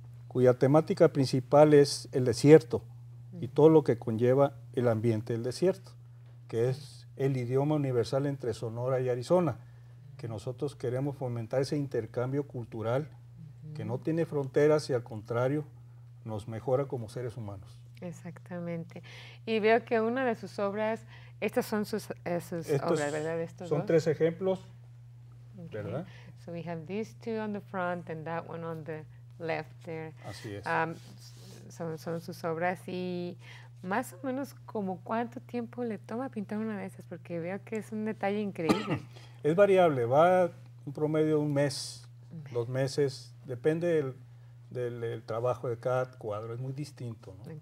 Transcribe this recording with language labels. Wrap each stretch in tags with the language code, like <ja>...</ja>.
<es>cuya temática principal es el desierto y todo lo que conlleva el ambiente del desierto, que es el idioma universal entre Sonora y Arizona, que nosotros queremos fomentar ese intercambio cultural que no tiene fronteras y al contrario nos mejora como seres humanos. Exactamente. Y veo que una de sus obras, estas son sus obras, ¿verdad? Estos son dos. Tres ejemplos, okay. ¿Verdad?</es> <en>So we have these two on the front and that one on the left there.</en> <es>Así es. Son sus obras y más o menos como cuánto tiempo le toma pintar una de esas, porque veo que es un detalle increíble. Es variable, va un promedio de un mes, dos meses, depende del trabajo de cada cuadro, es muy distinto, ¿no?</es>